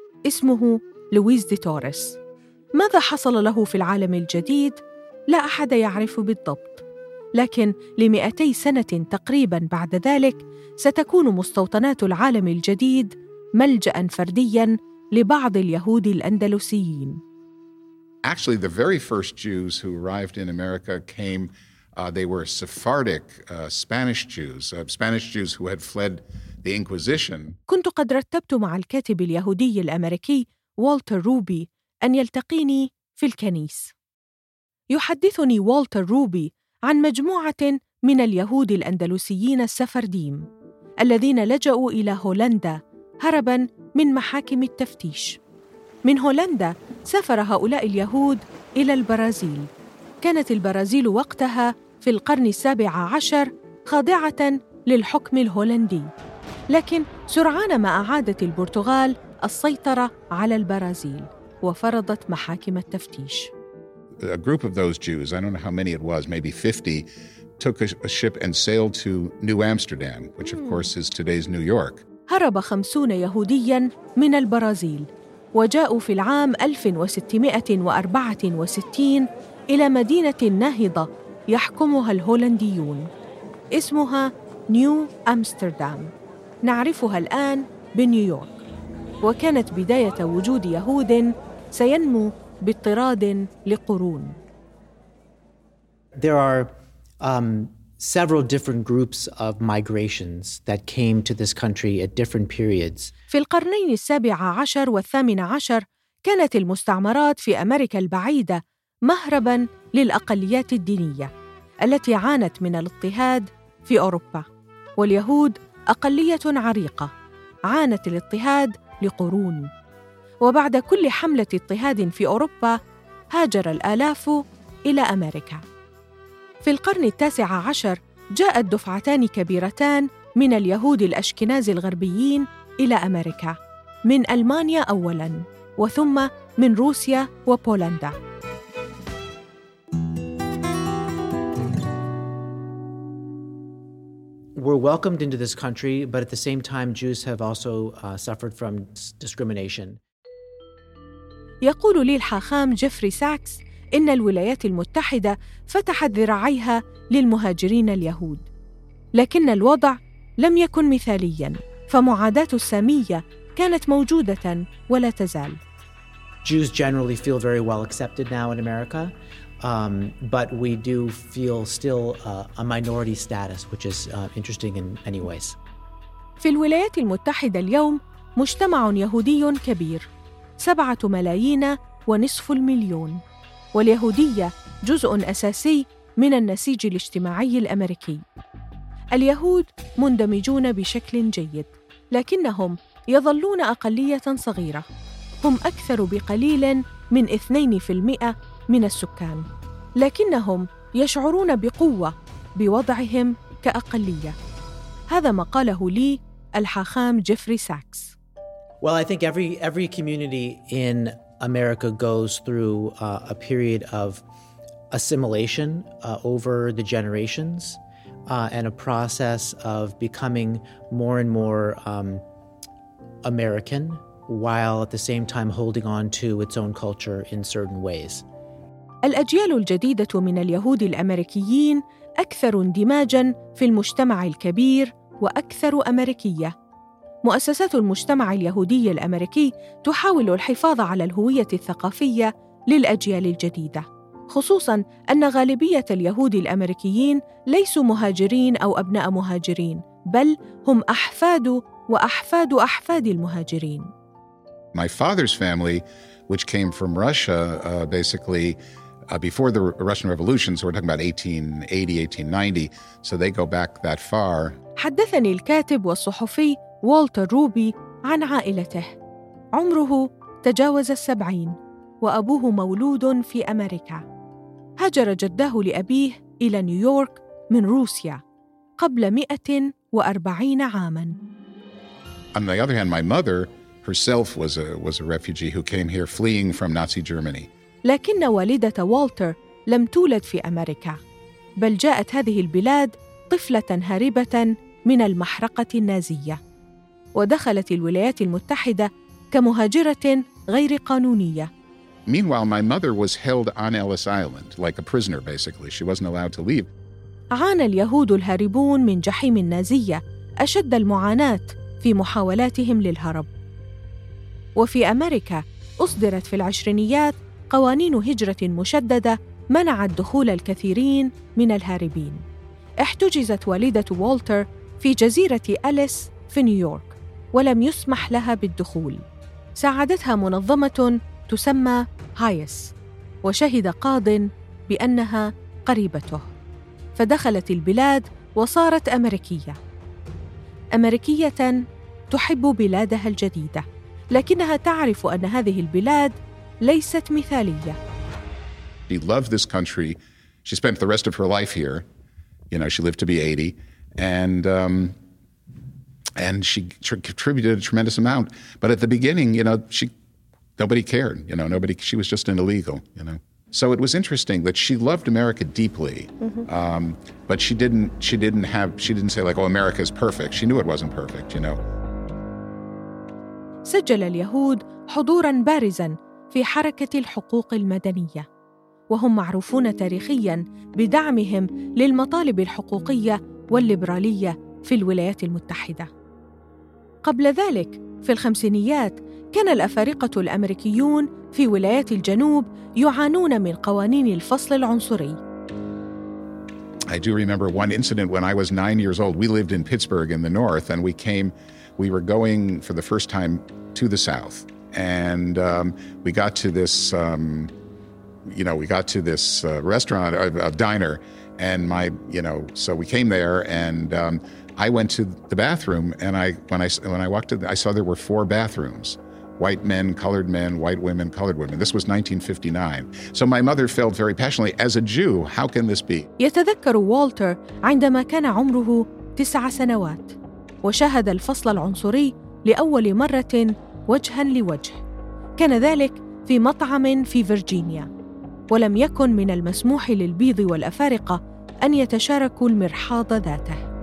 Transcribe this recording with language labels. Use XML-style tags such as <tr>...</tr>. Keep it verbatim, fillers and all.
<ar>اسمه لويس دي توريس. ماذا حصل له في العالم الجديد؟ لا أحد يعرف بالضبط، لكن لمئتي سنة تقريباً بعد ذلك ستكون مستوطنات العالم الجديد ملجأً فردياً لبعض اليهود الأندلسيين.</ar> <en>Actually, the very first Jews who arrived in America came, uh, they were Sephardic uh, Spanish Jews, uh, Spanish Jews who had fled the Inquisition.</en> <ar>كنت قد رتبت مع الكاتب اليهودي الأمريكي والتر روبي أن يلتقيني في الكنيس. يحدثني والتر روبي عن مجموعة من اليهود الأندلسيين السفرديم الذين لجأوا إلى هولندا هرباً من محاكم التفتيش. من هولندا سافر هؤلاء اليهود إلى البرازيل. كانت البرازيل وقتها في القرن السابع عشر خاضعة للحكم الهولندي، لكن سرعان ما أعادت البرتغال السيطرة على البرازيل وفرضت محاكم التفتيش.</ar> <en>A group of those Jews, I don't know how many it was, maybe fifty, took a, a ship and sailed to New Amsterdam, which of course is today's New York.</en> <ar>هرب خمسون يهودياً من البرازيل وجاءوا في العام ألف وستمائة وأربعة وستين إلى مدينة ناهضة يحكمها الهولنديون اسمها نيو أمستردام، نعرفها الآن بنيويورك، وكانت بداية وجود يهود سينمو باضطراد لقرون.</ar> <en>There are um, several different groups of migrations that came to this country at different periods.</en> <ar>في القرنين السابع عشر والثامن عشر كانت المستعمرات في أمريكا البعيدة مهرباً للأقليات الدينية التي عانت من الاضطهاد في أوروبا، واليهود أقلية عريقة عانت الاضطهاد لقرون، وبعد كل حملة اضطهاد في أوروبا هاجر الآلاف إلى أمريكا. في القرن التاسع عشر جاءت دفعتان كبيرتان من اليهود الأشكناز الغربيين إلى أمريكا، من ألمانيا أولاً وثم من روسيا وبولندا.</ar> <en>Were welcomed into this country, but at the same time Jews have also uh, suffered from discrimination.</en> <ar>يقول لي الحاخام جيفري ساكس إن الولايات المتحدة فتحت ذراعيها للمهاجرين اليهود، لكن الوضع لم يكن مثالياً، فمعاداة السامية كانت موجودة ولا تزال.</ar> <en>Jews generally feel very well accepted now in America. Um, but we do feel still uh, a minority status, which is uh, interesting in many ways.</en> <ar>في الولايات المتحدة اليوم مجتمع يهودي كبير، سبعة ملايين ونصف المليون، واليهودية جزء أساسي من النسيج الاجتماعي الأمريكي. اليهود مندمجون بشكل جيد، لكنهم يظلون أقلية صغيرة، هم أكثر بقليل من اثنين في المئة من السكان، لكنهم يشعرون بقوة بوضعهم كأقلية. هذا ما قاله لي الحاخام جيفري ساكس.</ar> <en>Well, I think every every community in America goes through uh, a period of assimilation uh, over the generations uh, and a process of becoming more and more um, American while at the same time holding on to its own culture in certain ways.</en> <ar>الأجيال الجديدة من اليهود الأمريكيين أكثر اندماجاً في المجتمع الكبير وأكثر أمريكية. مؤسسات المجتمع اليهودي الأمريكي تحاول الحفاظ على الهوية الثقافية للأجيال الجديدة، خصوصاً أن غالبية اليهود الأمريكيين ليسوا مهاجرين أو أبناء مهاجرين، بل هم أحفاد وأحفاد أحفاد المهاجرين.</ar> <en>My father's family, which came from Russia, uh, basically Uh, before the Russian Revolution, so we're talking about eighteen eighty, eighteen ninety, so they go back that far.</en> <ar>حدثني الكاتب والصحفي والتر روبي عن عائلته. عمره تجاوز السبعين، وأبوه مولود في أمريكا. هاجر جداه لأبيه إلى نيويورك من روسيا قبل مئة وأربعين عاماً.</ar> <en>On the other hand, my mother herself was a, was a refugee who came here fleeing from Nazi Germany.</en> <ar>لكن والدة والتر لم تولد في أمريكا، بل جاءت هذه البلاد طفلة هاربة من المحرقة النازية، ودخلت الولايات المتحدة كمهاجرة غير قانونية.</ar> <en>Meanwhile, my mother was held on Ellis Island, like a prisoner, basically. She wasn't allowed to leave.</en> <ar>عانى اليهود الهاربون من جحيم النازية أشد المعاناة في محاولاتهم للهرب. وفي أمريكا أصدرت في العشرينيات قوانين هجرة مشددة منعت دخول الكثيرين من الهاربين. احتجزت والدة والتر في جزيرة أليس في نيويورك ولم يسمح لها بالدخول. ساعدتها منظمة تسمى هايس، وشهد قاض بأنها قريبته، فدخلت البلاد وصارت أمريكية أمريكية تحب بلادها الجديدة، لكنها تعرف أن هذه البلاد ليست مثالية.</ar> <en>She loved this country. She spent the rest of her life here. You know, she lived to be eighty, and um, and she tr- contributed a tremendous amount. But at the beginning, you know, she nobody cared. You know, nobody. She was just an illegal. You know, so it was interesting that she loved America deeply, mm-hmm. um, but she didn't. She didn't have. She didn't say like, "Oh, America's perfect." She knew it wasn't perfect. You know.</en> <ar>سجل اليهود حضوراً بارزاً في حركة الحقوق المدنية، وهم معروفون تاريخياً بدعمهم للمطالب الحقوقية والليبرالية في الولايات المتحدة. قبل ذلك في الخمسينيات كان الأفارقة الأمريكيون في ولايات الجنوب يعانون من قوانين الفصل العنصري.</ar> <en>I do remember one incident when I was nine years old. We lived in Pittsburgh in the north, and we came, we were going for the first time to the south. And um, we got to this, um, you know, we got to this uh, restaurant, a uh, diner, and my, you know, so we came there, and um, I went to the bathroom, and I, when I, when I walked in, I saw there were four bathrooms. White men, colored men, white women, colored women. This was nineteen fifty-nine. So my mother felt very passionately, as a Jew, how can this be?</en> <ar>يتذكر والتر عندما كان عمره تسع سنوات وشاهد الفصل العنصري لأول مرة وجهاً لوجه. كان ذلك في مطعم في فرجينيا، ولم يكن من المسموح للبيض والأفارقة أن يتشاركوا المرحاض ذاته.</ar>